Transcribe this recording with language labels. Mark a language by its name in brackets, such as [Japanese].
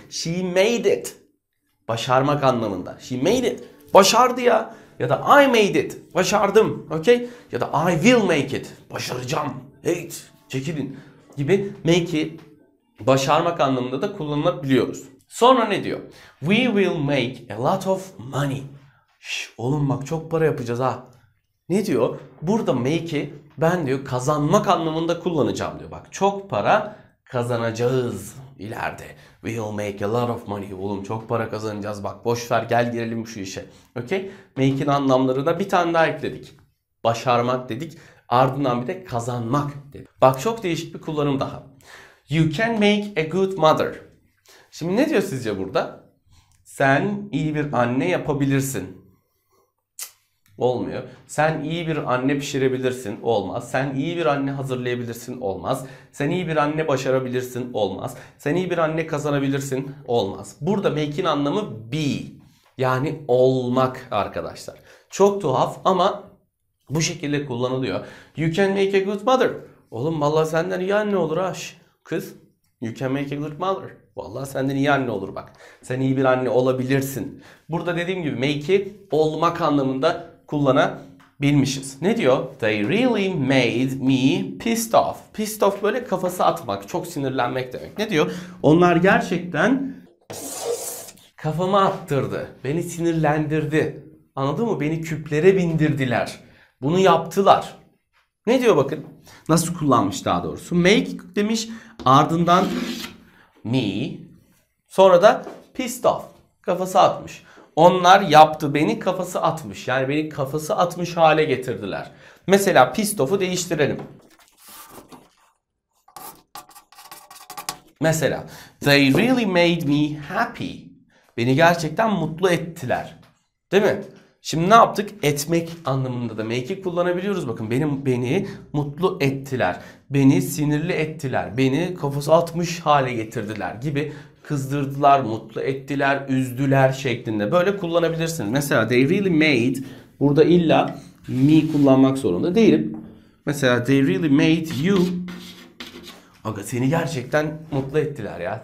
[English] She made it. [Turkish] Başarmak anlamında. [English] She made it. [Turkish] Başardı ya. Ya da [English] I made it. [Turkish] Başardım. [English] Okay? Ya da I will make it. [Turkish] Başaracağım. [English] Hate. [Turkish] Çekilin. Gibi make'i başarmak anlamında da kullanabiliyoruz. Sonra ne diyor? [English] We will make a lot of money. [Turkish] Oğlum bak çok para yapacağız ha. Ne diyor? Burada make'i ben diyor kazanmak anlamında kullanacağım diyor. Bak çok para kazanacağız ileride. [English] We'll make a lot of money. [Turkish] Oğlum çok para kazanacağız. Bak boş ver, gel girelim şu işe. Okay? Make'in anlamlarına bir tane daha ekledik. Başarmak dedik. Ardından bir de kazanmak dedik. Bak çok değişik bir kullanım daha. [English] You can make a good mother. [Turkish] Şimdi ne diyor sizce burada? Sen iyi bir anne yapabilirsin. Olmuyor. Sen iyi bir anne pişirebilirsin. Olmaz. Sen iyi bir anne hazırlayabilirsin. Olmaz. Sen iyi bir anne başarabilirsin. Olmaz. Sen iyi bir anne kazanabilirsin. Olmaz. Burada make'in anlamı be. Yani olmak arkadaşlar. Çok tuhaf ama bu şekilde kullanılıyor. [English] You can make a good mother. [Turkish] Oğlum vallahi senden iyi anne olur aş. Kız. [English] You can make a good mother. [Turkish] Vallahi senden iyi anne olur bak. Sen iyi bir anne olabilirsin. Burada dediğim gibi make'i olmak anlamında kullanabilmişiz. Ne diyor? [English] They really made me pissed off. [Turkish] Pissed off böyle kafası atmak, çok sinirlenmek demek. Ne diyor? Onlar gerçekten kafamı attırdı. Beni sinirlendirdi. Anladın mı? Beni küplere bindirdiler. Bunu yaptılar. Ne diyor bakın? Nasıl kullanmış daha doğrusu? Make demiş. Ardından me. Sonra da pissed off. Kafası atmış. Onlar yaptı beni kafası atmış. Yani beni kafası atmış hale getirdiler. Mesela pissed off'u değiştirelim. Mesela [English] they really made me happy. [Turkish] Beni gerçekten mutlu ettiler. Değil mi? Şimdi ne yaptık? Etmek anlamında da make'i kullanabiliyoruz. Bakın beni mutlu ettiler. Beni sinirli ettiler. Beni kafası atmış hale getirdiler gibi kızdırdılar, mutlu ettiler, üzdüler şeklinde. Böyle kullanabilirsiniz. Mesela [English] they really made [Turkish] burada illa me kullanmak zorunda değilim. Mesela [English] they really made you. [Turkish] Aga seni gerçekten mutlu ettiler ya.